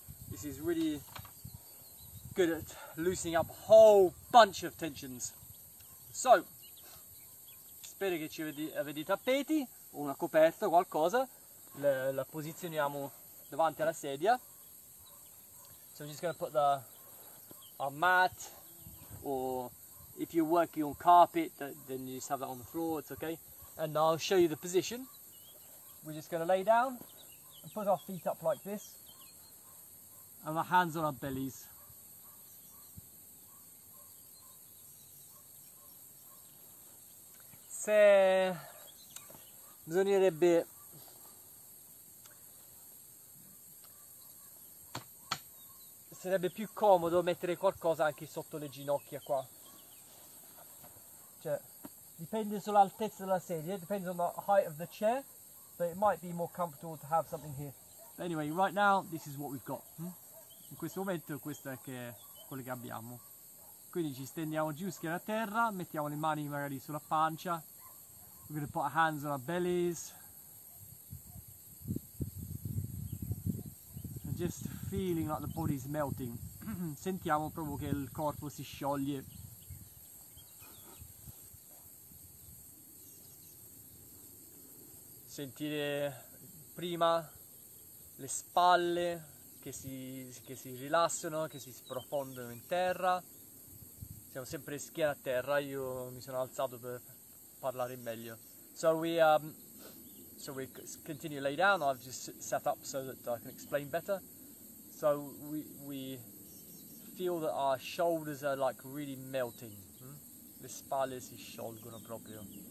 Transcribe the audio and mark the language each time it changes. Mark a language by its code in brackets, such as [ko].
[en] This is really good at loosening up a whole bunch of tensions. [it] So, spero che ci avete i tappeti o una coperta o qualcosa. La posizioniamo davanti alla sedia. [en] So I'm just gonna put a mat, or if you're working on carpet, then you just have that on the floor, it's okay. And I'll show you the position. We're just going to lay down and put our feet up like this and our hands on our bellies. [it] Se bisognerebbe sarebbe più comodo mettere qualcosa anche sotto le ginocchia qua. Cioè, dipende sull'altezza della sedia, [en] depends on the height of the chair. But it might be more comfortable to have something here. But anyway, right now, this is what we've got. [it] In questo momento, questo è che quello che abbiamo. Quindi ci stendiamo giù, schiena a terra, mettiamo le mani magari sulla pancia. [en] We're going to put our hands on our bellies. And just feeling like the body is melting. [it] Sentiamo proprio che il corpo si scioglie. Sentire prima le spalle che si rilassano, che si sprofondano in terra. Siamo sempre schiena a terra, io mi sono alzato per parlare meglio. [en] So we continue to lay down. I've just sat up so that I can explain better. So we feel that our shoulders are like really melting. [it] Le spalle si sciolgono proprio.